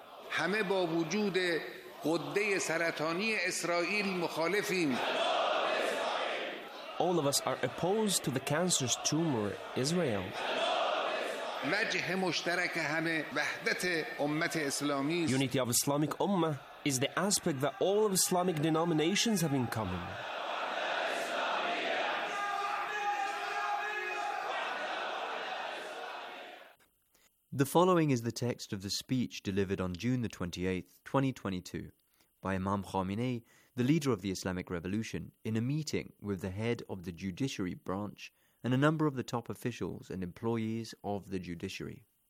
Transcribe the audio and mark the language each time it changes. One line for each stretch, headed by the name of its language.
Persian: همه با وجود قده سرطانی اسرائیل مخالفیم
English: All of us are opposed to the cancerous tumor Israel
Persian: وجه مشترک همه وحدت امت اسلامی
English: Unity of Islamic Ummah is the aspect that all of Islamic denominations have in common. The following is the text of the speech delivered on June the 28th, 2022, by Imam Khamenei, the leader of the Islamic Revolution, in a meeting with the head of the judiciary branch and a number of the top officials and employees of the judiciary.